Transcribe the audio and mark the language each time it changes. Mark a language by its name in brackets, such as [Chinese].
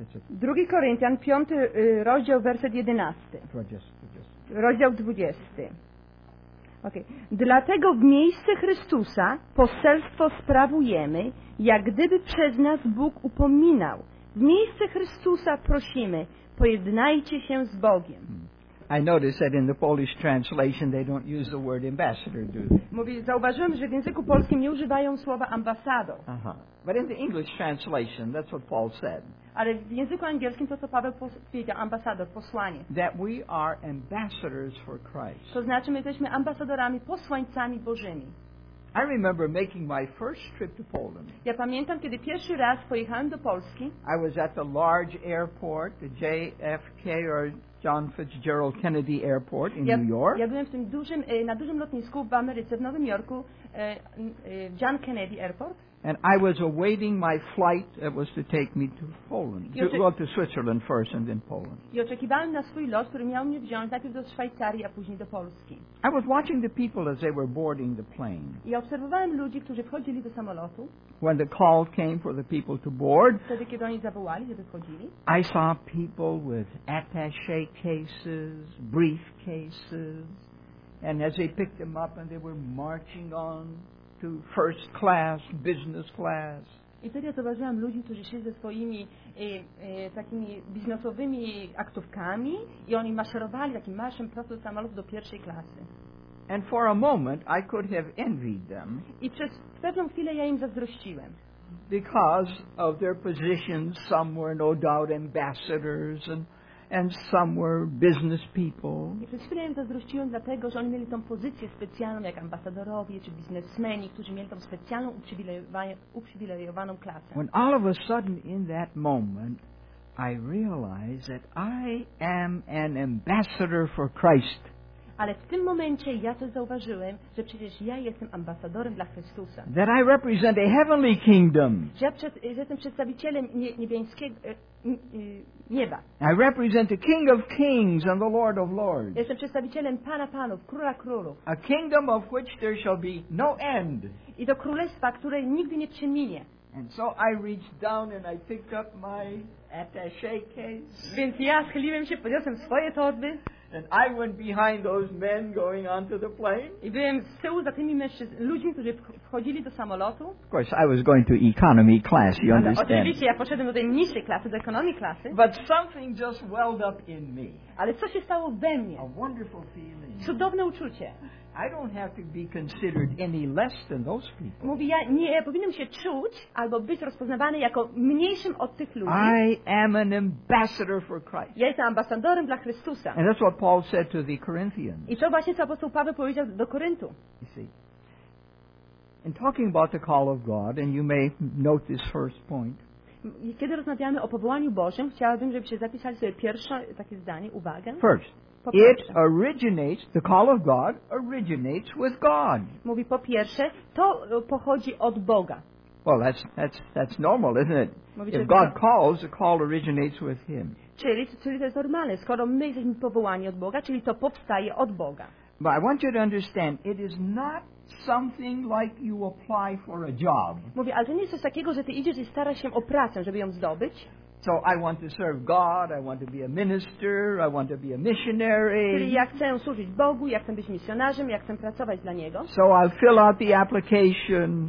[Polish] Drugi Koryntian, piąty rozdział, werset 11. Rozdział 20. Okay. Dlatego w miejsce Chrystusa poselstwo sprawujemy, jak gdyby przez nas Bóg upominał. W miejsce Chrystusa prosimy, pojednajcie się z Bogiem. [English] I noticed that in the Polish translation they don't use the word ambassador, do they? [Polish] Mówi, zauważyłem, że w języku polskim nie używają słowa ambasador. Uh-huh. [English] But in the English translation, that's what Paul said. [Polish] Ale w języku angielskim to Paweł powiedział, ambasador, posłanie. [English] That we are ambassadors for Christ. [Polish] To znaczy, my jesteśmy ambasadorami, posłańcami Bożymi. [English] I remember making my first trip to Poland. [Polish] Ja pamiętam, kiedy pierwszy raz pojechałem do Polski. [English] I was at the large airport, the JFK or John Fitzgerald Kennedy Airport in New York. [Polish] Ja byłem w tym dużym, na dużym lotnisku w Ameryce, w Nowym Jorku, John Kennedy Airport. [English] And I was awaiting my flight that was to take me to Poland. To Switzerland first and then Poland. [Polish] I oczekiwałem na swój lot, który miał mnie wziąć najpierw do Szwajcarii, a później do Polski. [English] I was watching the people as they were boarding the plane. [Polish] I obserwowałem ludzi, którzy wchodzili do samolotu. [English] When the call came for the people to board, [Polish] wtedy, kiedy oni zawołali, żeby wchodzili, [English] I saw people with attaché cases, briefcases, and as they picked them up and they were marching on to first class, business class. [Polish] I wtedy ja zauważyłam ludzi, którzy szli ze swoimi takimi biznesowymi aktówkami i oni maszerowali takim marszem prosto do samolotu do pierwszej klasy. [English] And for a moment I could have envied them. [Polish] I przez pewną chwilę ja im zazdrościłem. [English] Because of their positions, some were no doubt ambassadors and some were business people. [Polish] I przez chwilę ja im zazdrościłem dlatego, że oni mieli tą pozycję specjalną jak ambasadorowie czy biznesmeni, którzy mieli tą specjalną uprzywilejowaną klasę. [English] When all of a sudden in that moment I realized that I am an ambassador for Christ. [Polish] Ale w tym momencie ja to zauważyłem, że przecież ja jestem ambasadorem dla Chrystusa. [English] That I represent a heavenly kingdom. [Polish] Że jestem przedstawicielem niebieskiego nieba. [English] I represent the King of Kings and the Lord of Lords. [Polish] Jestem przedstawicielem Pana Panów, Króla Królów. [English] A kingdom of which there shall be no end. [Polish] I to królestwa, które nigdy nie przeminie. [English] And so I reached down and I picked up my attaché case. [Polish] Więc ja schyliłem się, podniosłem swoje torby. [English] And I went behind those men going onto the plane. [Polish] I byłem z tyłu za tymi ludźmi, którzy wchodzili do samolotu. [English] Of course, I was going to economy class, you understand. [Polish] Oczywiście, ja poszedłem do tej niższej klasy, do economy klasy. [English] But something just welled up in me. [Polish] Ale co się stało we mnie? [English] A wonderful feeling. [Polish] Cudowne uczucie. [English] I don't have to be considered any less than those people. [Polish] Mówi, ja nie powinienem się czuć albo być rozpoznawany jako mniejszym od tych ludzi. [English] I am an ambassador for Christ. [Polish] Ja jestem ambasadorem dla Chrystusa. [English] And that's what Paul said to the Corinthians. [Polish] I to właśnie co apostoł Paweł powiedział do Koryntu. [English] You see, in talking about the call of God, and you may note this first point. [Polish] Kiedy rozmawiamy o powołaniu Bożym, chciałabym, żebyście zapisali sobie pierwsze takie zdanie, uwagę. [English] First. It originates, the call of God originates with God. [Polish] Mówi po pierwsze, to pochodzi od Boga. [English] Well, that's normal, isn't it? If God calls, the call originates with Him. [Polish] Czyli to jest normalne, skoro my jesteśmy powołani od Boga, czyli to powstaje od Boga. [English] But I want you to understand, it is not something like you apply for a job. [Polish] Mówi, ale to nie jest coś takiego, że ty idziesz i starasz się o pracę, żeby ją zdobyć. [English] So I want to serve God, I want to be a minister, I want to be a missionary. [Polish] Czyli ja chcę służyć Bogu, ja chcę być misjonarzem, ja chcę pracować dla Niego. [English] So I'll fill out the application.